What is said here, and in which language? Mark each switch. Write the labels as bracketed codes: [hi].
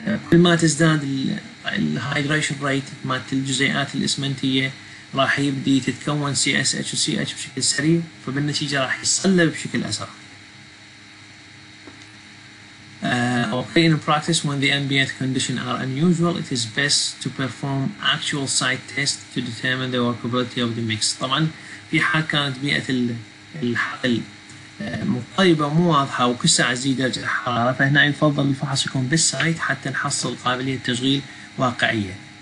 [ar] كل ما تزداد الهايدريشن ريت مالت الجزيئات الإسمنتية راح يبدي تتكون CSH وCH بشكل سريع، فبالنتيجة راح يتصلب بشكل أسرع. أو [en] In practice, when the ambient conditions are unusual, it is best to perform actual site tests to determine the workability of the mix. [ar] طبعا في حال كانت بيئة الحقل مضطربة مو واضحة وكل ساعة تزيد درجة الحرارة، فهنا يفضل الفحص يكون بالسايت حتى نحصل قابلية تشغيل واقعية.